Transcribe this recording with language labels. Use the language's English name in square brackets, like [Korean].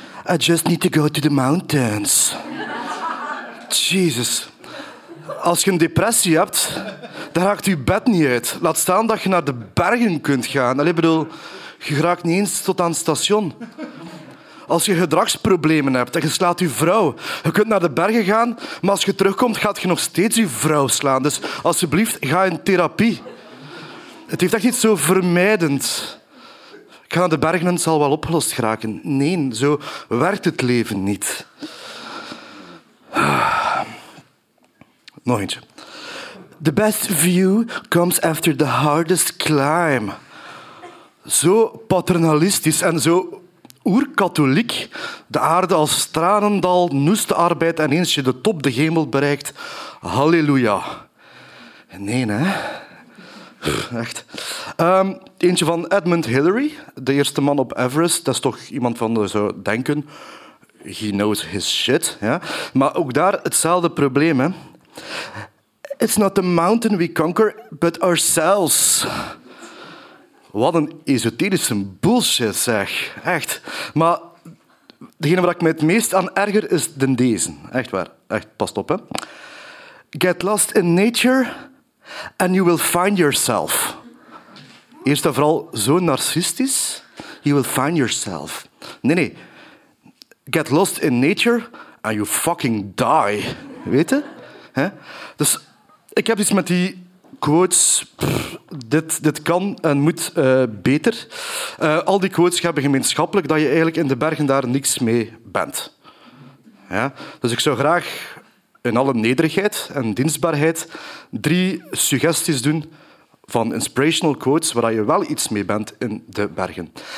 [English] I just need to go to the mountains. Jesus. [Dutch] Als je een depressie hebt, dan raakt je bed niet uit. Laat staan dat je naar de bergen kunt gaan. Allee, bedoel, je raakt niet eens tot aan het station. Als je gedragsproblemen hebt en je slaat je vrouw, je kunt naar de bergen gaan, maar als je terugkomt, gaat je nog steeds je vrouw slaan. Dus alsjeblieft, ga in therapie. Het heeft echt niet zo vermijdend. Ik ga naar de bergen en het zal wel opgelost geraken. Nee, zo werkt het leven niet. Nog eentje. [English] The best view comes after the hardest climb. [Dutch] Zo paternalistisch en zo... oerkatholiek, de aarde als tranendal, noeste arbeid en eens je de top de hemel bereikt, halleluja. Nee, hè. Echt. Eentje van Edmund Hillary, de eerste man op Everest. Dat is toch iemand van zou denken. [English] He knows his shit. [Dutch] Ja? Maar ook daar hetzelfde probleem. Hè? [English] It's not the mountain we conquer, but ourselves. [Dutch] Wat een esoterische bullshit, zeg. Echt. Maar degene waar ik me het meest aan erger is dan deze. Echt waar. Echt, pas op, hè. [English] Get lost in nature and you will find yourself. [Dutch] Eerst en vooral zo narcistisch. [English] You will find yourself. [Dutch] Nee, nee. [English] Get lost in nature and you fucking die. [Dutch] Weet je? Hè? Dus ik heb iets met die... quotes, dit kan en moet beter. Al die quotes hebben gemeenschappelijk dat je eigenlijk in de bergen daar niks mee bent. Ja? Dus ik zou graag in alle nederigheid en dienstbaarheid 3 suggesties doen van inspirational quotes waar je wel iets mee bent in de bergen.